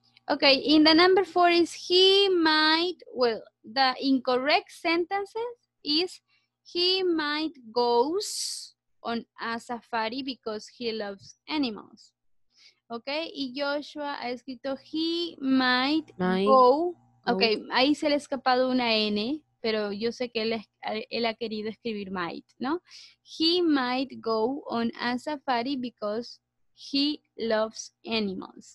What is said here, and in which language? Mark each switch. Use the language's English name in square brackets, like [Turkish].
[English] Okay, in the number four is he might, well, the incorrect sentences is he might goes on a safari because he loves animals. [Spanish] Okay, y Joshua ha escrito he might go. Okay, ahí se le ha escapado una N, pero yo sé que él ha querido escribir might, ¿no? [English] He might go on a safari because he loves animals.